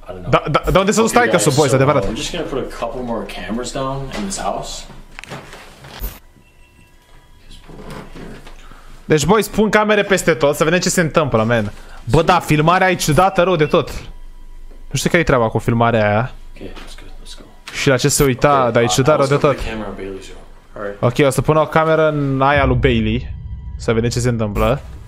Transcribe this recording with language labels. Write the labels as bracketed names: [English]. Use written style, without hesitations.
[Romanian] Da, unde să nu stai că sunt boys, adevărat. [English] I'm just gonna put a couple more cameras down in this house. [Romanian] Deci, boys, pun camere peste tot, să vedem ce se întâmplă, man. Bă, da, filmarea e ciudată rău de tot. Nu știu care-i treaba cu filmarea aia. [English] Ok, let's go. [Romanian] Și la ce se uita, okay, dar e ciudat rău de tot. Ok, o să pun o cameră în aia lui Bailey. Să vedem ce se întâmplă.